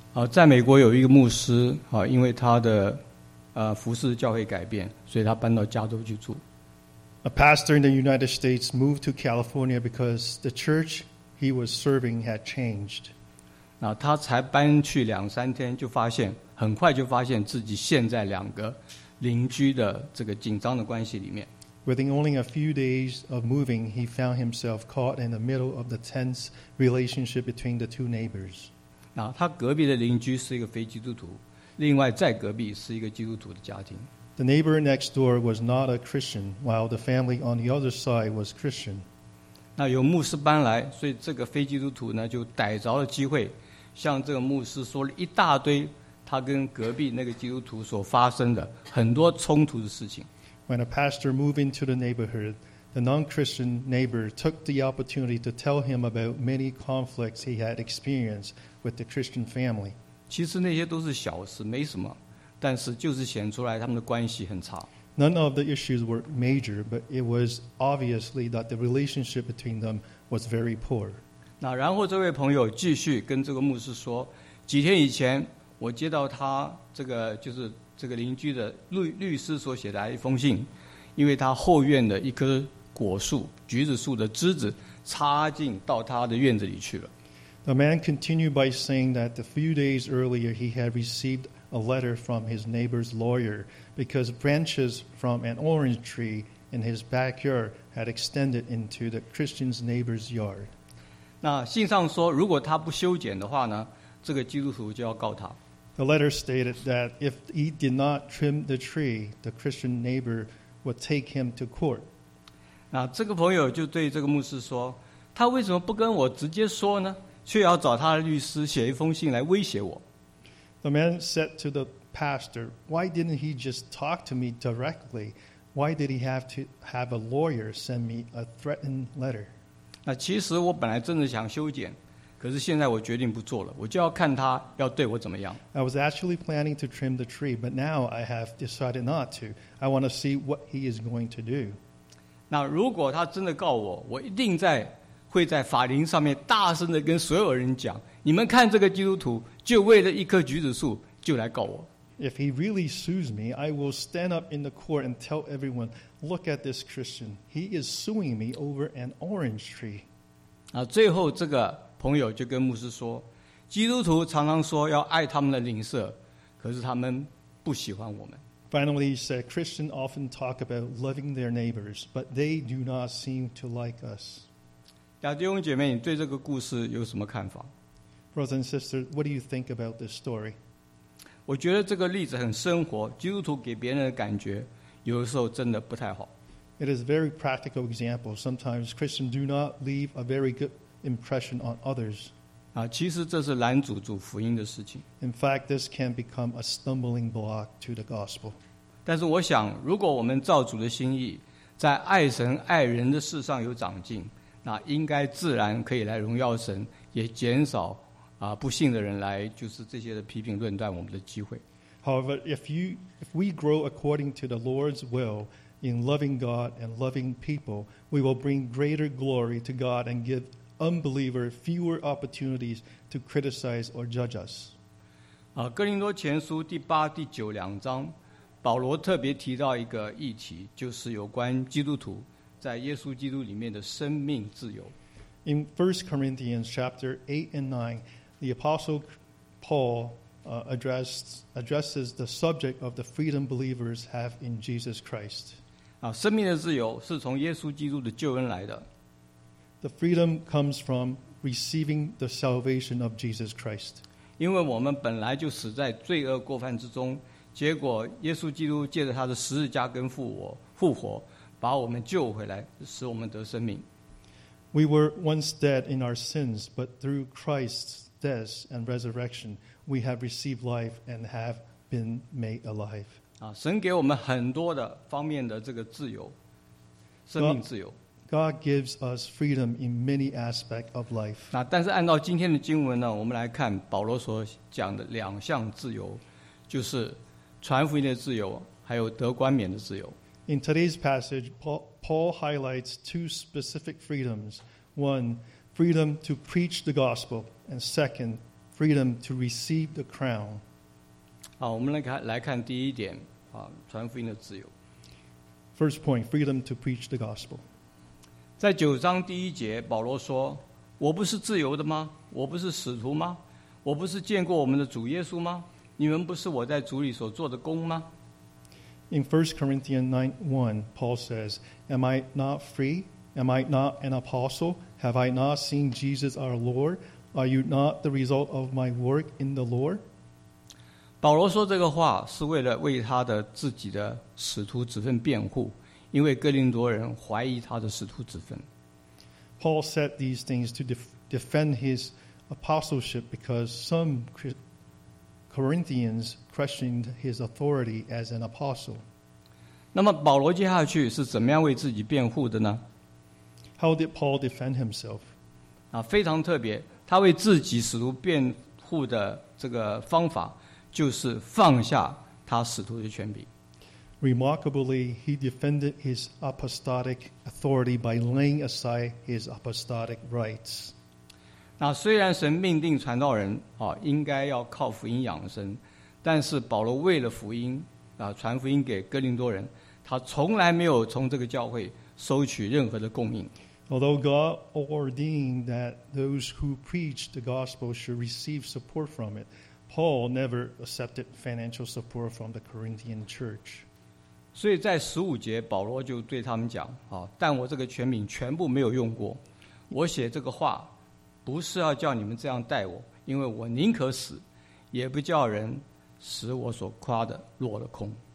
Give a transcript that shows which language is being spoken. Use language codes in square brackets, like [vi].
[zh] 在美国有一个牧师，因为他的服事教会改变，所以他搬到加州去住。 [en] A pastor in the United States moved to California because the church he was serving had changed. [zh] 那他才搬去两三天，就发现很快就发现自己陷在两个邻居的这个紧张的关系里面。 [en] Within only a few days of moving, he found himself caught in the middle of the tense relationship between the two neighbors. [zh] 那他隔壁的邻居是一个非基督徒，另外在隔壁是一个基督徒的家庭。 [en] The neighbor next door was not a Christian, while the family on the other side was Christian. [zh] 那有牧师搬来，所以这个非基督徒呢就逮着了机会，向这个牧师说了一大堆他跟隔壁那个基督徒所发生的很多冲突的事情。 [en] When a pastor moved into the neighborhood, the non-Christian neighbor took the opportunity to tell him about many conflicts he had experienced. With the Christian family. [zh] 其实那些都是小事，没什么，但是就是显出来他们的关系很差。 [en] None of the issues were major, but it was obviously that the relationship between them was very poor. [zh] 那然后这位朋友继续跟这个牧师说，几天以前我接到他这个就是这个邻居的律师所写来一封信，因为他后院的一棵果树，橘子树的枝子插进到他的院子里去了。 [en] The man continued by saying that a few days earlier he had received a letter from his neighbor's lawyer because branches from an orange tree in his backyard had extended into the Christian's neighbor's yard. [zh] 那信上说如果他不修剪的话呢，这个基督徒就要告他。 [en] The letter stated that if he did not trim the tree, the Christian neighbor would take him to court. [zh] 那这个朋友就对这个牧师说，他为什么不跟我直接说呢？却要找他的律师写一封信来威胁我。 [en] The man said to the pastor, "Why didn't he just talk to me directly? Why did he have to have a lawyer send me a threatened letter?" [zh] 那其实我本来真的想修剪，可是现在我决定不做了，我就要看他要对我怎么样。 [en] I was actually planning to trim the tree, but now I have decided not to. I want to see what he is going to do. [zh] 那如果他真的告我，我一定在。会在法庭上面大声地跟所有人讲，你们看这个基督徒就为了一棵橘子树就来告我。 [en] If he really sues me, I will stand up in the court and tell everyone, look at this Christian. He is suing me over an orange tree. [zh] 最后这个朋友就跟牧师说，基督徒常常说要爱他们的邻舍，可是他们不喜欢我们。 [en] Finally, he said, Christians often talk about loving their neighbors, but they do not seem to like us. [zh] 亚弟兄姐妹，你对这个故事有什么看法 [en] ？Brothers and sisters, what do you think about this story? [zh] 我觉得这个例子很生活，基督徒给别人的感觉有的时候真的不太好。 [en] It is a very practical example. Sometimes Christians do not leave a very good impression on others. [zh] 其实这是拦阻主福音的事情。 [en] In fact, this can become a stumbling block to the gospel. [zh] 但是我想，如果我们照主的心意，在爱神爱人的事上有长进。那应该自然可以来荣耀神，也减少不幸的人来就是这些的批评论断我们的机会。 [en] However, if we grow according to the Lord's will in loving God and loving people, we will bring greater glory to God and give unbelievers fewer opportunities to criticize or judge us. [zh] 哥林多前书第八、第九两章，保罗特别提到一个议题，就是有关基督徒。在耶稣基督里面的生命自由。 [en] In 1 Corinthians chapter 8 and 9, the Apostle Paul addresses the subject of the freedom believers have in Jesus Christ. [zh] 生命的自由是从耶稣基督的救恩来的。 [en] The freedom comes from receiving the salvation of Jesus Christ. [zh] 因为我们本来就死在罪恶过犯之中，结果耶稣基督借着他的十字架跟复活，把我们救回来，使我们得生命。 [en] We were once dead in our sins, but through Christ's death and resurrection, we have received life and have been made alive. [zh] 神给我们很多的方面的这个自由，生命自由。 [en] God gives us freedom in many aspects of life. [zh] 那但是按照今天的经文呢，我们来看保罗所讲的两项自由，就是传福音的自由，还有得冠冕的自由。 [en] In today's passage, Paul highlights two specific freedoms. One, freedom to preach the gospel. And second, freedom to receive the crown. [zh] 好，我们来看第一点，传福音的自由。 [en] First point, freedom to preach the gospel. [zh] 在九章第一节，保罗说，我不是自由的吗？我不是使徒吗？我不是见过我们的主耶稣吗？你们不是我在主里所做的工吗？ [en] In 1 Corinthians 9:1, Paul says, Am I not free? Am I not an apostle? Have I not seen Jesus our Lord? Are you not the result of my work in the Lord? [zh] 保罗说这个话是为了为他的自己的使徒职分辩护，因为哥林多人怀疑他的使徒职分。 [en] Paul said these things to defend his apostleship because some Corinthians questioned his authority as an apostle. [zh] 那么保罗接下去是怎么样为自己辩护的呢？ [en] How did Paul defend himself? [zh] 非常特别，他为自己使徒辩护的这个方法就是放下他使徒的权柄。 [en] Remarkably, he defended his apostolic authority by laying aside his apostolic rights. [zh] 那虽然神命定传道人应该要靠福音养生，但是保罗为了福音传福音给哥林多人，他从来没有从这个教会收取任何的供应。 [en] Although God ordained that those who preach the gospel should receive support from it, Paul never accepted financial support from the Corinthian church. [zh] 所以在十五节，保罗就对他们讲但我这个权柄全部没有用过，我写这个话不是要叫你们这样待我，因为我宁可死，也不叫人使我所夸的落了空。